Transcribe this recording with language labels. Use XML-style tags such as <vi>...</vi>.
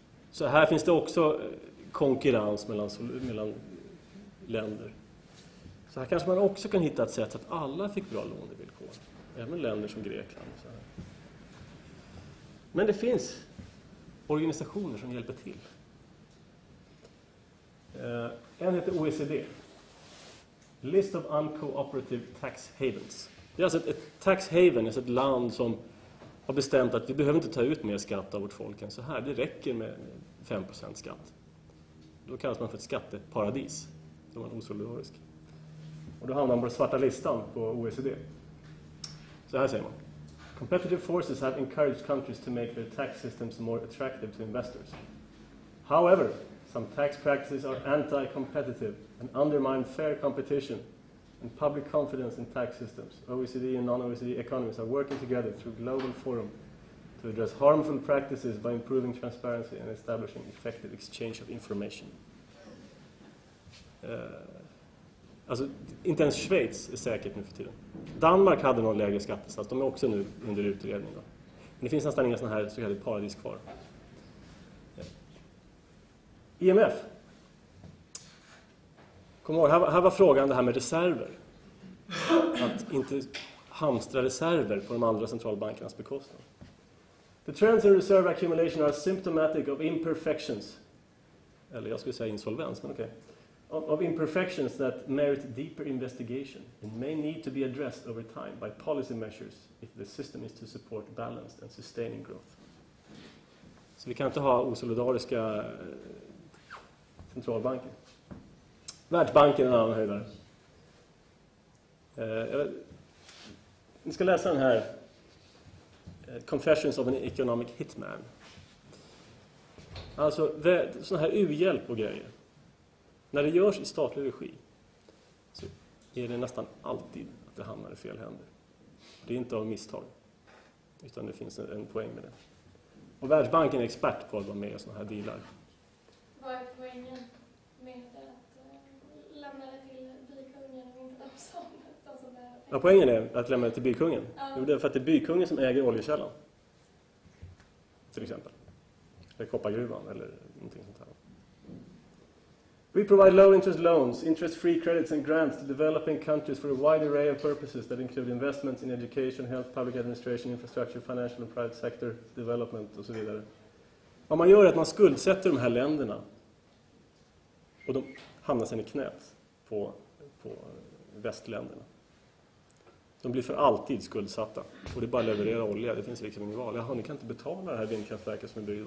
<sv>Så här finns det också konkurrens mellan länder. Så här kanske man också kan hitta ett sätt att alla fick bra lånevillkor. Även länder som Grekland. Och så här. Men det finns organisationer som hjälper till. En heter OECD.</sv> <en>List of Uncooperative Tax Havens.</en> <sv>Det är alltså ett tax haven, alltså ett land som har bestämt att vi behöver inte ta ut mer skatt av vårt folk än så här. Det räcker med 5% skatt. Då kallas man för ett skatteparadis. Då är man osolidarisk. Och då hamnar man på den svarta listan på OECD. Så här säger man.</sv> <en>Competitive forces have encouraged countries to make their tax systems more attractive to investors. However, some tax practices are anti-competitive and undermine fair competition and public confidence in tax systems. OECD and non-OECD economies are working together through global forum to address harmful practices by improving transparency and establishing effective exchange of information.</en> <sv>Alltså, inte ens Schweiz är säkert nu för tiden. Danmark hade någon lägre skattesats. De är också nu under utredning. Då. Men det finns nästan inga sådana här så kallade paradis kvar. IMF. Kom ihåg, här var frågan det här med reserver. Att inte hamstra reserver på de andra centralbankernas bekostnad.</sv> <en>The trends in reserve accumulation are symptomatic of imperfections.</en> <sv>Eller jag skulle säga insolvens, men okej.</sv> <en>Okay. Of imperfections that merit deeper investigation and may need to be addressed over time by policy measures if the system is to support balanced and sustaining growth.</en> <sv>Så vi kan inte ha osolidariska centralbanker. Världsbanken är en annan höjdare. Ni ska läsa den här Confessions of an Economic Hitman. Alltså sådana här u-hjälp och grejer. När det görs i statlig regi så är det nästan alltid att det hamnar i fel händer. Det är inte av misstag, utan det finns en poäng med det. Och Världsbanken är expert på att vara med i sådana här dealar. Vad är poängen med att lämna det till bykungen och inte Epson? Ja, poängen är att lämna det till bykungen. Det är för att det är bykungen som äger oljekällan. Till exempel. Eller koppargruvan eller någonting sånt här.</sv> <en>We provide low interest loans, interest free credits and grants to developing countries for a wide array of purposes that include investments in education, health, public administration, infrastructure, financial and private sector, development</en> <sv>och så vidare. Vad man gör är att man skuldsätter de här länderna och de hamnar sedan i knät på västländerna. De blir för alltid skuldsatta. Och det är bara leverera olja. Det finns liksom ingen val. Jaha, ni kan inte betala det här vindkraftverket som är byggt.</sv>